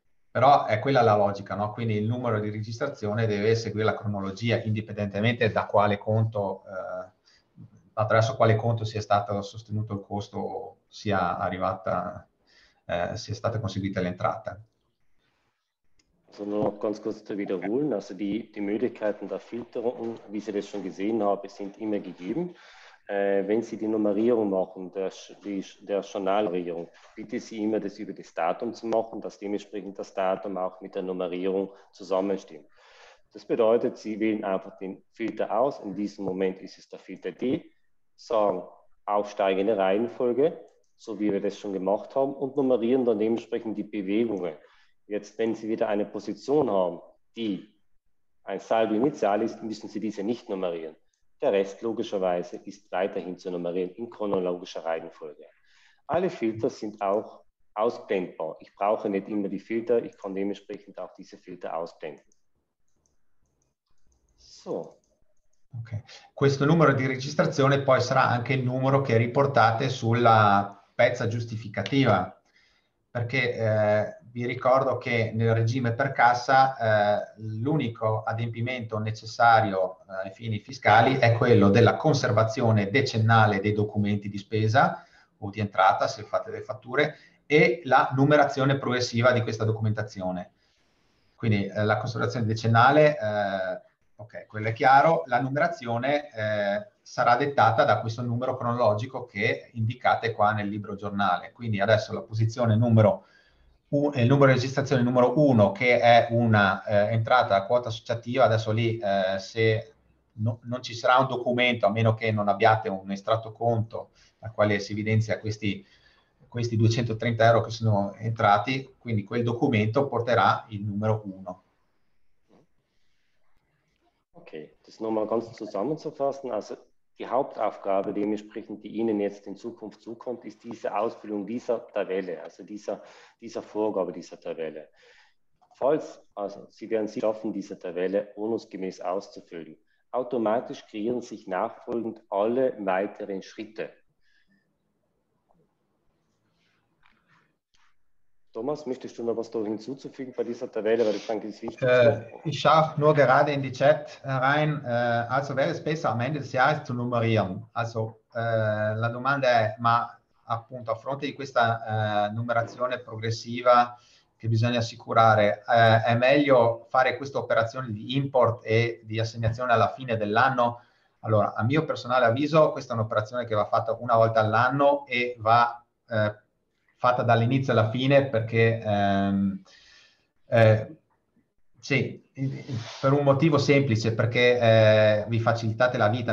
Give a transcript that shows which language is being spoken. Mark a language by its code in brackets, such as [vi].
[it] Però è quella la logica, no? Quindi il numero di registrazione deve seguire la cronologia, indipendentemente da quale conto, attraverso quale conto sia stato sostenuto il costo o sia arrivata... sia stata conseguita l'entrata. [de] Sono ganz kurz zu wiederholen, also die Möglichkeiten der Filterung, wie Sie das schon gesehen haben, sind immer gegeben. Wenn Sie die Nummerierung machen, der Journalnummerierung, bitte Sie immer, das über das Datum zu machen, dass dementsprechend das Datum auch mit der Nummerierung zusammenstimmt. Das bedeutet, Sie wählen einfach den Filter aus, in diesem Moment ist es der Filter D, sagen aufsteigende Reihenfolge, so wie wir das schon gemacht haben, und nummerieren dann dementsprechend die Bewegungen. Jetzt, wenn Sie wieder eine Position haben, die ein Saldo initial ist, müssen Sie diese nicht nummerieren. Der Rest logischerweise ist weiterhin zu nummerieren in chronologischer Reihenfolge. Alle Filter sind auch ausblendbar. Ich brauche nicht immer die Filter, ich kann dementsprechend auch diese Filter ausblenden. So. Okay. [it] Questo numero di registrazione poi sarà anche il numero che riportate sulla pezza giustificativa, perché vi ricordo che nel regime per cassa l'unico adempimento necessario ai fini fiscali è quello della conservazione decennale dei documenti di spesa o di entrata, se fate le fatture, e la numerazione progressiva di questa documentazione. Quindi la conservazione decennale, ok, quello è chiaro, la numerazione sarà dettata da questo numero cronologico che indicate qua nel libro giornale. Quindi adesso la posizione numero, il numero di registrazione numero 1, che è una entrata a quota associativa, adesso lì se non ci sarà un documento, a meno che non abbiate un estratto conto al quale si evidenzia questi 230 euro che sono entrati, quindi quel documento porterà il numero 1. [de] Okay, das nochmal ganz zusammenzufassen, also die Hauptaufgabe dementsprechend, die Ihnen jetzt in Zukunft zukommt, ist diese Ausfüllung dieser Tabelle, also dieser Vorgabe dieser Tabelle. Falls, also Sie werden sie schaffen, diese Tabelle ordnungsgemäß auszufüllen, automatisch kreieren sich nachfolgend alle weiteren Schritte. Thomas, möchtest du noch was da hinzuzufügen bei dieser Tabelle, weil ich denke, es ist wichtig. Ich schaue nur gerade in die Chat rein. Also wäre es besser, am Ende des Jahres zu nummerieren. [it] Also la domanda è, ma appunto a fronte di questa numerazione progressiva che bisogna assicurare, è meglio fare questa operazione di import e di assegnazione alla fine dell'anno? Allora, a mio personale avviso, questa è un'operazione che va fatta una volta all'anno e va fatta dall'inizio alla fine, perché sì, per un motivo semplice, perché vi facilitate la vita.